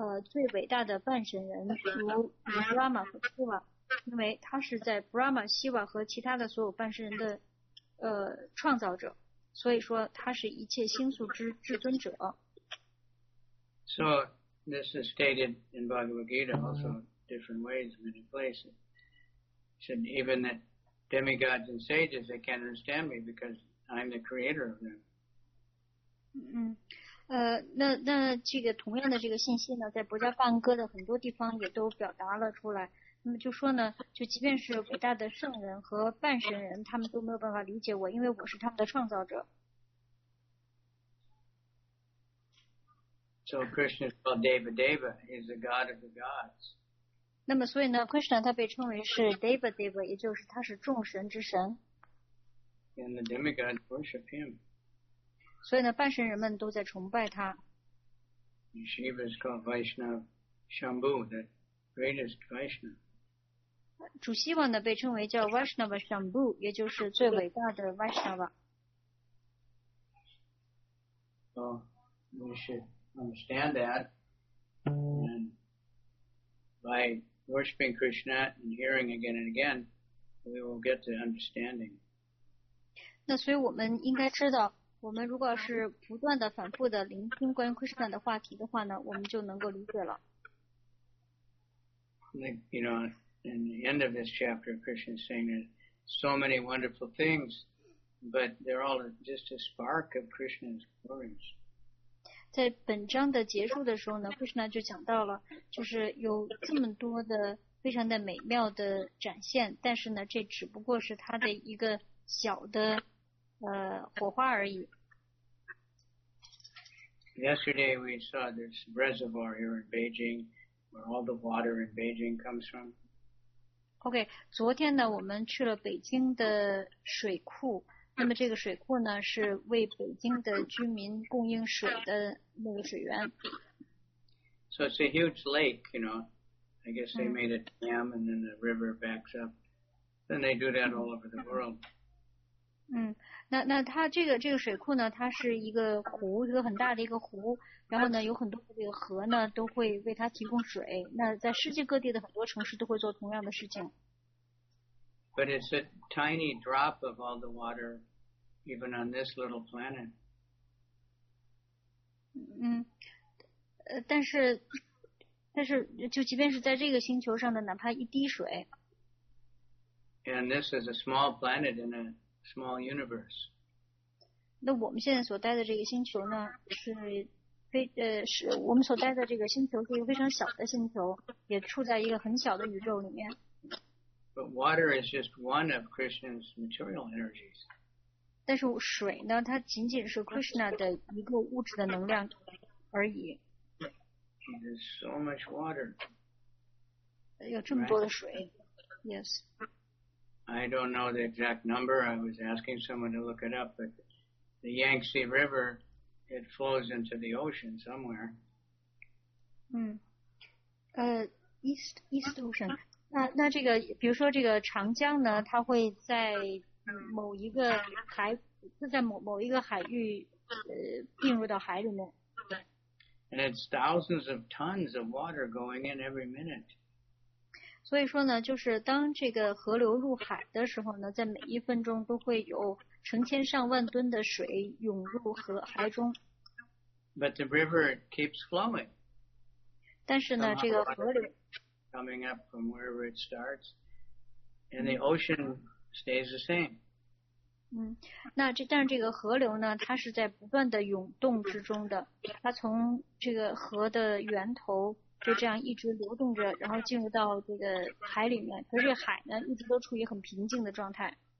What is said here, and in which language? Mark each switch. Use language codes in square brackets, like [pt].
[zh] 最伟大的半神人如 Brahma 和 Shiva， 因为他是在 Brahma、Shiva 和其他的所有半神人的创造者，所以说他是一切星宿之至尊者。 [en] So this is stated in Bhagavad Gita also different ways, many places. Said even that demigods and sages they can't understand me because I'm the creator of them. 嗯。 [zh] 那这个同样的这个信息呢，在《博迦梵歌》的很多地方也都表达了出来。那么就说呢，就即便是伟大的圣人和半神人，他们都没有办法理解我，因为我是他们的创造者。 [en] So Krishna is called Devadeva. He's the god of the gods. [zh] 那么所以呢 ，Krishna 他被称为是 Devadeva， 也就是他是众神之神。 [en] And the demigods worship him. [zh] 所以呢，半神人们都在崇拜他。 [en] Shiva is called Vaishnava Shambhu, the greatest Vaishnava. [zh] 主希望呢被称为叫 Vaishnava Shambhu， 也就是最伟大的 Vaishnava。 [en] So we should understand that, and by worshiping Krishna and hearing again and again, we will get the understanding. [zh] 那所以我们应该知道。我们如果是不断的反复的聆听关于 Krishna 的话题的话呢，我们就能够理解了。 [en] Like, you know, in the end of this chapter, Krishna is saying there's so many wonderful things, but they're all just a spark of Krishna's glories. [zh] 在本章的结束的时候呢 ，Krishna 就讲到了，就是有这么多的非常的美妙的展现，但是呢，这只不过是他的一个小的。火花而已。 [en] Yesterday we saw this reservoir here in Beijing, where all the water in Beijing comes from. Okay, [zh] 昨天呢，我们去了北京的水库。那么这个水库呢，是为北京的居民供应水的那个水源。 [en] So it's a huge lake, you know. I guess they made a dam and then the river backs up. Then they do that all over the world. 嗯。 [zh] 那它这个水库呢，它是一个湖，一个很大的一个湖，然后呢，有很多的这个河呢，都会为它提供水。那在世界各地的很多城市都会做同样的事情。 [en] But it's a tiny drop of all the water, even on this little planet. [zh] 但是就即便是在这个星球上的哪怕一滴水。 [en] And this is a small planet in a small universe. [zh] 那我们现在所待的这个星球呢，是我们所待的这个星球是一个非常小的星球，也处在一个很小的宇宙里面。 [en] But water is just one of Krishna's material energies. [zh] 但是水呢，它仅仅是 Krishna 的一个物质的能量而已。 [en] There's so much water. [zh] 有这么多的水。 [en] Yes. I don't know the exact number. I was asking someone to look it up, but the Yangtze River, it flows into the ocean somewhere. East Ocean. [zh] 那这个，比如说这个长江呢，它会在某一个海，是在某一个海域，并入到海里面。 [en] And it's thousands of tons of water going in every minute. [zh] 所以说呢，就是当这个河流入海的时候呢，在每一分钟都会有成千上万吨的水涌入河海中。 [en] But the river keeps flowing. [zh] 但是呢，这个河流。 [en] Coming up from wherever it starts, and the ocean stays the same. [zh] 但是这个河流呢，它是在不断的涌动之中的。它从这个河的源头就这样一直流动着，然后进入到这个海里面。可是海呢，一直都处于很平静的状态。